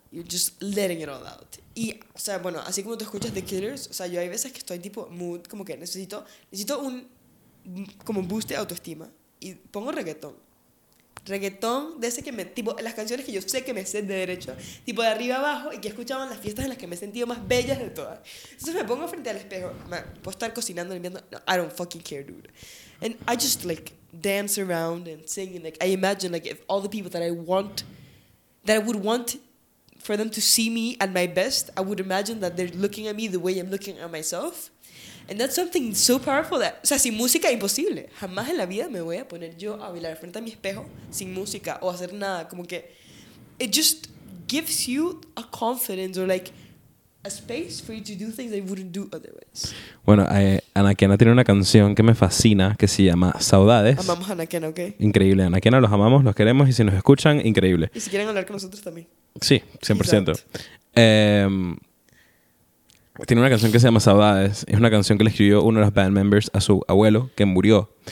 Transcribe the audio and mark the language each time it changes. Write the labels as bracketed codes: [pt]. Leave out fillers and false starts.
[en] You're just letting it all out. [es] Y, o sea, bueno, así como tú escuchas The Killers, o sea, yo hay veces que estoy tipo mood, como que necesito un, como boost de autoestima, y pongo reggaetón. Reggaetón de ese que me, tipo, las canciones que yo sé que me sé de derecho, tipo de arriba abajo, y que escuchaban las fiestas en las que me he sentido más bellas de todas. Entonces me pongo frente al espejo, man, puedo estar cocinando, limpiando, no, [en] I don't fucking care, dude. And I just like dance around and sing, and like I imagine like if all the people that I would want for them to see me at my best, I would imagine that they're looking at me the way I'm looking at myself. And that's something so powerful that, [es] o sea, sin música es imposible. Jamás en la vida me voy a poner yo a bailar frente a mi espejo sin música o hacer nada. Como que [en] it just gives you a confidence or like a space for you to do things that you wouldn't do otherwise. [es] Bueno, Ana Kena tiene una canción que me fascina que se llama Saudades. Amamos a Ana Kena, ¿ok? Increíble, Ana Kena, los amamos, los queremos y si nos escuchan, increíble. Y si quieren hablar con nosotros también. Sí, 100%. Tiene una canción que se llama Saudades. Es una canción que le escribió uno de los band members a su abuelo, que murió.